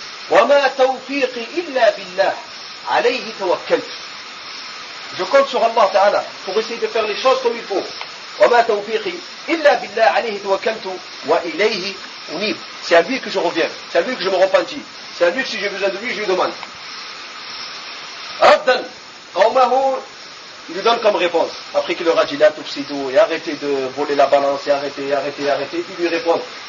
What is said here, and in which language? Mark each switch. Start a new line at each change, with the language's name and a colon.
Arabic: وما توفيقي إلا بالله عليه توكلت.
French: Je compte sur Allah تعالى pour essayer de faire les choses comme il faut.
Arabic: وما توفيقي إلا بالله عليه توكلت وإليه أنيب.
French: C'est à lui que je reviens. C'est à lui que je me repentis. C'est à lui que si j'ai besoin de lui, je lui demande.
Arabic: ردا قومه.
French: Il lui donne comme réponse, après qu'il leur a dit
Arabic: la tufsidu
French: et arrêtez de voler la balance et arrêtez, il lui répond.